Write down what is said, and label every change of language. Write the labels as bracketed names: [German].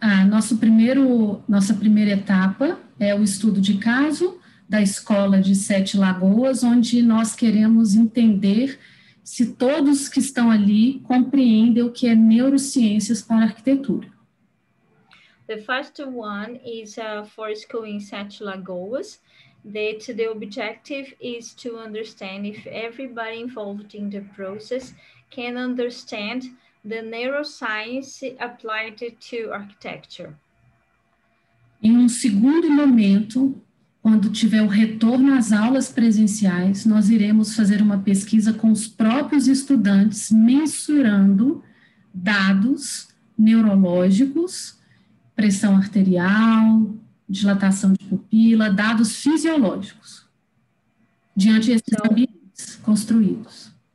[Portuguese] Nossa primeira etapa é o estudo de caso da escola de Sete Lagoas, onde nós queremos entender se todos que estão ali compreendem o que é neurociências para arquitetura. [English] The first one is for school in Sete Lagoas, that the objective is to understand if everybody involved in the process can understand the neuroscience applied to architecture. [Portuguese] Em um segundo momento, quando tiver o retorno às aulas presenciais, nós iremos fazer uma pesquisa com os próprios estudantes, mensurando dados neurológicos, pressão arterial, dilatação de pupila, dados fisiológicos, diante desses ambientes construídos.